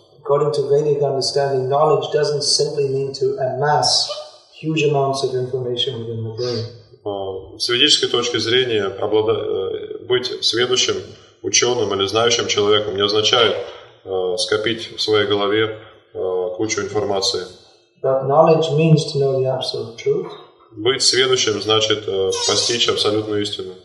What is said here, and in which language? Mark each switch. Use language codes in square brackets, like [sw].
[en] According to Vedic understanding, knowledge doesn't simply mean to amass huge amounts of information within the brain. [ru] С ведической точки зрения, быть сведущим, ученым или знающим человеком не означает скопить в своей голове кучу информации. [en] But knowledge means to know the absolute truth. [ru] Быть сведущим значит постичь абсолютную истину.